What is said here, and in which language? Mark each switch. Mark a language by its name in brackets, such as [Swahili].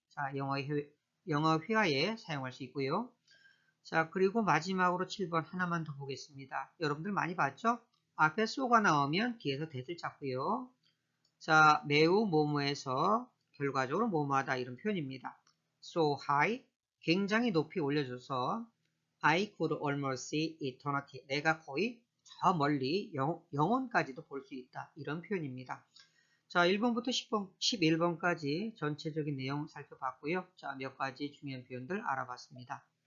[Korean] 자, 영어 회화에 사용할 수 있고요. 자, 그리고 마지막으로 7번 하나만 더 보겠습니다. 여러분들 많이 봤죠? 앞에 so가 나오면 뒤에서 that을 찾고요. 자, 매우 뭐뭐해서 결과적으로 뭐뭐하다 이런 표현입니다. [English] So high, [Korean] 굉장히 높이 올려줘서 [English] I could almost see eternity. [Korean] 내가 거의 저 멀리 영혼까지도 볼수 있다 이런 표현입니다. 자, 1번부터 10번, 11번까지 전체적인 내용 살펴봤고요. 자, 몇 가지 중요한 표현들 알아봤습니다.